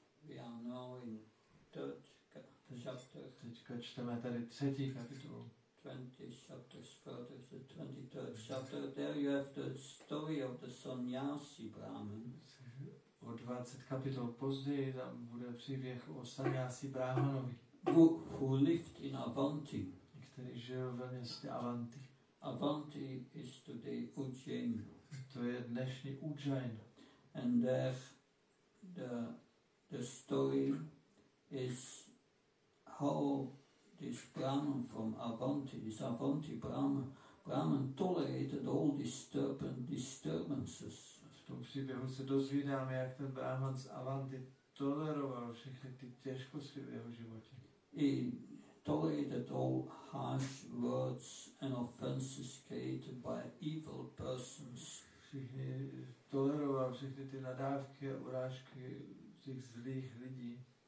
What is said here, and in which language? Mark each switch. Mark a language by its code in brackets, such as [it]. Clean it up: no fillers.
[en] We are now in third chapter. [cs] Teďka čteme tady třetí kapitolu. [en] 20 chapters further, the 23rd chapter. There you have the story of the sannyasi brahman. [cs] O 20 kapitol později tam bude příběh o sannyasi brahmanovi. [en] Who lived in Avanti. [cs] Který žil ve městě Avanti. [en] Avanti is today Ujjain. [cs] To je dnešní Ujjain. [en] And the story is how this Brahman from Avanti, this Avanti Brahman tolerated all disturbances. [cs] V tom příběhu se dozvídáme, jak ten Brahman z Avanti toleroval všechny ty těžkosti v jeho životě. [en] He tolerated all harsh words and offenses created by evil persons. [cs] Toleroval všechny ty nadávky a urážky těch zlých lidí.